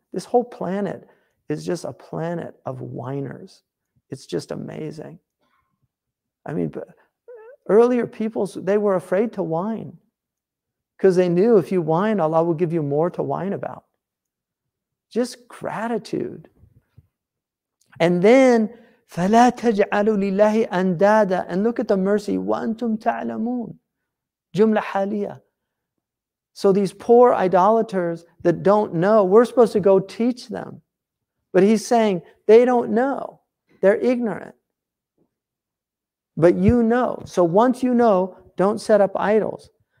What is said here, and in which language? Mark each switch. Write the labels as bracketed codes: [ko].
[en] This whole planet is just a planet of whiners. It's just amazing. I mean, but earlier peoples, they were afraid to whine because they knew if you whine, Allah will give you more to whine about. Just gratitude. And then, [ar] فَلَا تَجْعَلُوا لِلَّهِ أَنْدَادًا. [en] And look at the mercy. [ar] وَأَنْتُمْ تَعْلَمُونَ. [en] Jumla haliya. So these poor idolaters that don't know, we're supposed to go teach them. But he's saying they don't know. They're ignorant. But you know. So once you know, don't set up idols.